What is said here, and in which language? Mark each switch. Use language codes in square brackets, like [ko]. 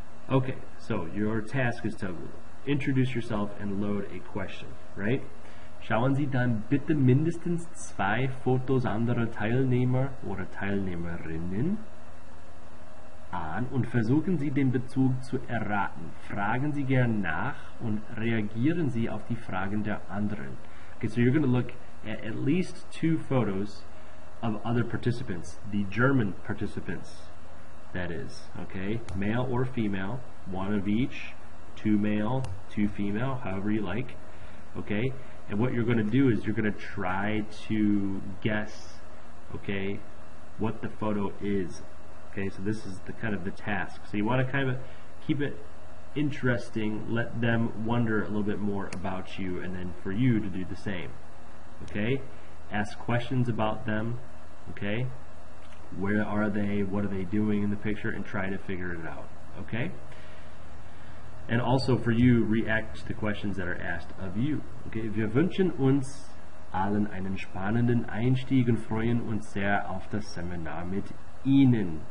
[en] Okay, so your task is to introduce yourself and load a question, right? [de] Schauen Sie dann bitte mindestens zwei Fotos anderer Teilnehmer oder Teilnehmerinnen an und versuchen Sie, den Bezug zu erraten. Fragen Sie gern nach und reagieren Sie auf die Fragen der anderen. [en] Okay, so you're going to look at least two photos of other participants, the German participants, that is, okay? Male or female, one of each, two male, two female, however you like, okay? And what you're going to do is you're going to try to guess, okay, what the photo is. Okay, so this is the kind of the task. So you want to kind of keep it interesting, let them wonder a little bit more about you, and then for you to do the same. Okay? Ask questions about them. Okay? Where are they? What are they doing in the picture? And try to figure it out. Okay? And also for you, react to the questions that are asked of you. Okay? [de] Wir wünschen uns allen einen spannenden Einstieg und freuen uns sehr auf das Seminar mit Ihnen.